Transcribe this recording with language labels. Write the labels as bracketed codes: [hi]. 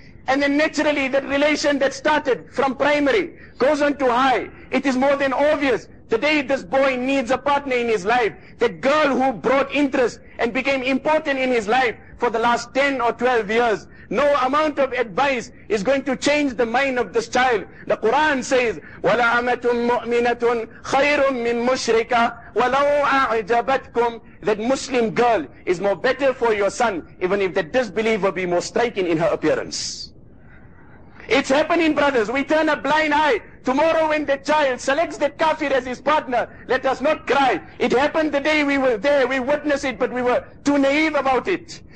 [en] And then naturally that relation that started from primary goes on to high. It is more than obvious. The day this boy needs a partner in his life, that girl who brought interest and became important in his life for the last 10 or 12 years, no amount of advice is going to change the mind of this child. The Quran says, [ar] وَلَا أَمَةٌ مُؤْمِنَةٌ خَيْرٌ مِّن مُشْرِكَ وَلَوْ أَعْجَبَتْكُمْ. [en] That Muslim girl is more better for your son, even if the disbeliever be more striking in her appearance. It's happening, brothers. We turn a blind eye. Tomorrow when the child selects the kafir as his partner, let us not cry. It happened the day we were there, we witnessed it, but we were too naive about it.